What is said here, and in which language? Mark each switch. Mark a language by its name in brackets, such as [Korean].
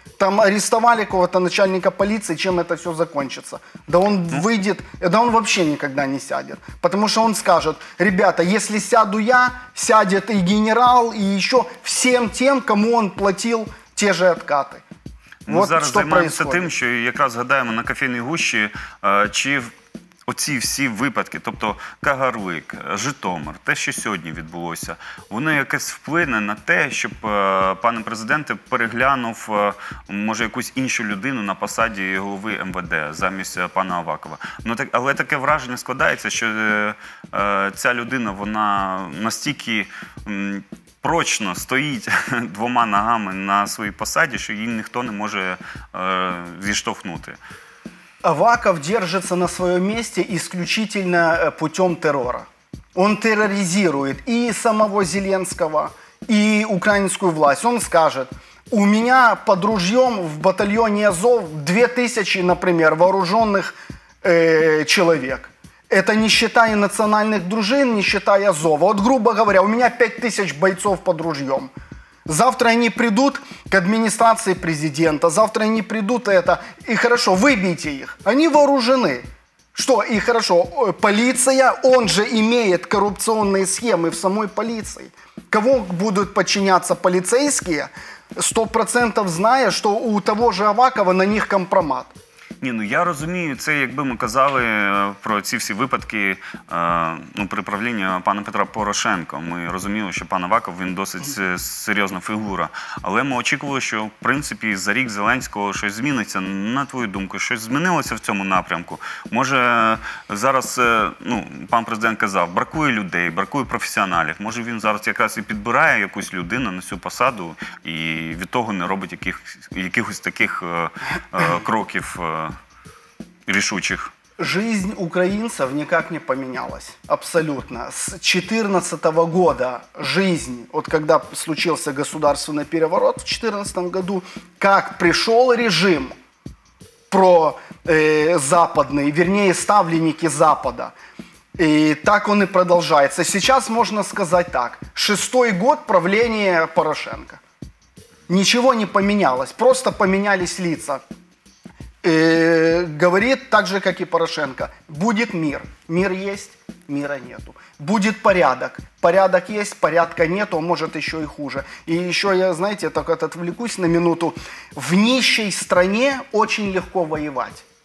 [Russian] Там арестовали кого-то начальника полиции, чем это все закончится. Да он выйдет, да он вообще никогда не сядет. Потому что он скажет, ребята, если сяду я, сядет и генерал, и еще всем тем, кому он платил те же откаты. [Ukrainian] Ми вот зараз займаємося тим, що якраз згадаємо на кофейній гущі, чи оці всі випадки, тобто Кагарлик, Житомир, те, що сьогодні відбулося, воно якось вплине на те, щоб пане президенте переглянув, може, якусь іншу людину на посаді голови МВД замість пана Авакова. Ну, так, але таке враження складається, що ця людина, вона настільки... прочно стоїть двома ногами на своїй посаді, що її ніхто не може зіштовхнути. Аваков держиться на своєму місці виключно путем терору. Він тероризує і самого Зеленського, і українську владу. Він скаже, у мене під ружьем в батальйоні Азов 2000, наприклад, вооружених чоловік. [Russian] Это не считая национальных дружин, не считая Азова. Вот, грубо говоря, у меня 5000 бойцов под ружьем. Завтра они придут к администрации президента, завтра они придут, это, и хорошо, выбейте их. Они вооружены. Что, и хорошо, полиция, он же имеет коррупционные схемы в самой полиции. Кого будут подчиняться полицейские, 100% зная, что у того же Авакова на них компромат. [Ukrainian] Ні, ну я розумію, це якби ми казали про ці всі випадки при правлінні пана Петра Порошенка. Ми розуміли, що пан Аваков, він досить серйозна фігура. Але ми очікували, що, в принципі, за рік Зеленського щось зміниться. На твою думку, щось змінилося в цьому напрямку? Може, зараз, ну, пан президент казав, бракує людей, бракує професіоналів. Може, він зараз якраз і підбирає якусь людину на цю посаду і від того не робить якихось таких кроків рішучих. Жизнь українців ніяк не помінялась. Абсолютно. З 2014 року жизнь, от коли случився государственний переворот в 2014 році, як прийшов режим про западний, вірніше, ставленники Запада, і так він і продовжується. Зараз можна сказати так. Шостий рік правління Порошенка. Нічого не помінялось. Просто помінялись лица. [Russian] Говорит так же, как и Порошенко, будет мир, мир есть, мира нету. Будет порядок, порядок есть, порядка нету, может еще и хуже. И еще я, знаете, только отвлекусь на минуту, в нищей стране очень легко воевать.